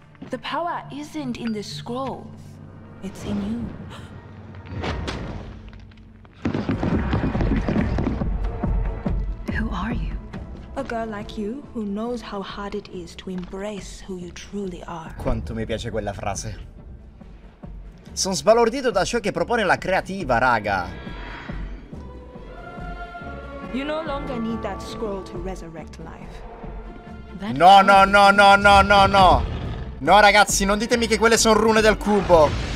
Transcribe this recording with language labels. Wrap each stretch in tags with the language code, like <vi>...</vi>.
<en>The power isn't in the scroll. It's in you. Who are you? A girl like you who knows how hard it is to embrace who you truly are.</en> <it>Quanto mi piace quella frase. Sono sbalordito da ciò che propone la creativa, raga.</it> <en>You no longer need that scroll to resurrect life.</en> <it>No, no, no, no, no, no, no. No, ragazzi, non ditemi che quelle sono rune del cubo.</it>